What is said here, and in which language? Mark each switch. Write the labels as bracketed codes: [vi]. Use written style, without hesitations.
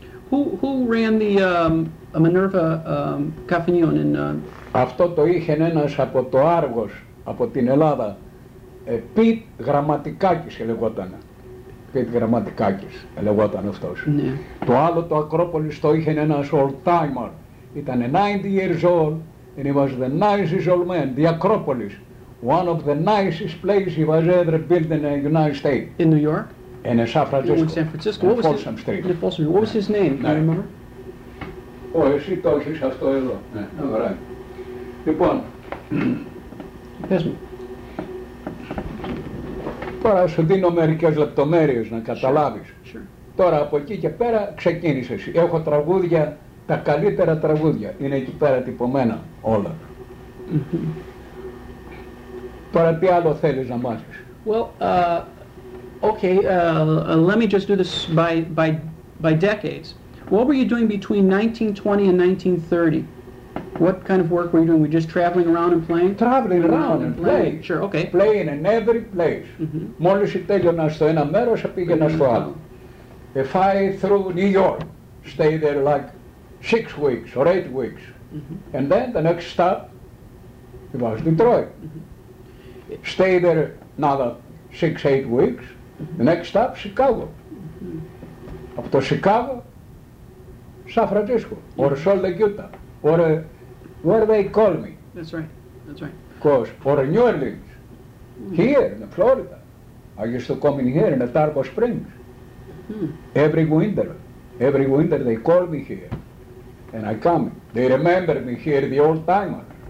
[en] Who ran the Minerva Cafenion in? [el] Αυτό το είχε ένας από το Άργος, από την Ελλάδα, Pete Γραμματικάκης λεγόταν. Pete Γραμματικάκης λεγόταν αυτός. Ναι. Το άλλο το Ακρόπολης το είχε ένας [en] old timer. [el] Ήταν [en] 90 years old and he was the nicest old man. The Ακρόπολης. One of the nicest places he was ever built in the United States. In New York? In San Francisco. In San Francisco. In Folsom Street. In Folsom Street. What was his name? Do you remember? [el] Oh, εσύ το έχεις αυτό εδώ. Ωραία. Λοιπόν. Πες μου. Τώρα σου δίνω μερικές λεπτομέρειες να καταλάβεις. [en] Sure. Sure. [el] Τώρα από εκεί και πέρα ξεκίνησες. Έχω τραγούδια, τα καλύτερα τραγούδια. Είναι εκεί πέρα τυπωμένα όλα. Τώρα τι άλλο θέλεις να μάθεις. [en] Well, okay, let me just do this by decades. What were you doing between 1920 and 1930? What kind of work were you doing? Were you just traveling around and playing? Traveling around and playing. Play. Sure, okay. Playing in every place. Mm-hmm. [el] Μόλις τέλειωνα στο ένα μέρος, πήγαινα στο άλλο. [en] If I through New York, stay there like 6 weeks or 8 weeks, mm-hmm. and then the next stop, it was Detroit. Mm-hmm. Stay there another 6-8 weeks, the next stop Chicago. Mm-hmm. [el] Από το Chicago, San Francisco, [en] yeah. Or Salt Lake, Utah, or where they call me. That's right, that's right. Course, or New Orleans, mm-hmm. here in Florida. I used to come in here in Tarpon Springs. Mm-hmm. Every winter they call me here. And I come, they remember me here, the old timer.